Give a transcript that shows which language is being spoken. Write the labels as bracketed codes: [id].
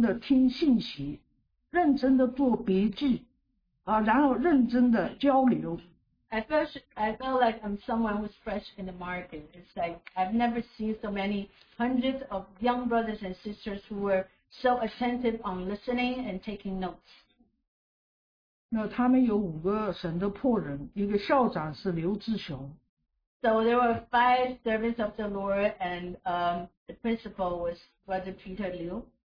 [zh] 那我真的，我好像自己是一个井中之蛙，没有看到这么多年轻的弟兄姐妹，四五百个年轻的弟兄姐妹，都是认真的听信息，认真的做笔记。然后认真的交流。 [en] I felt like I'm someone who's fresh in the market. It's like I've never seen so many hundreds of young brothers and sisters who were so attentive on listening and taking notes. [zh] 那他们有五个神的仆人，一个校长是刘志雄。 [en] So there were five servants of the Lord, and the principal was Brother Peter Liu.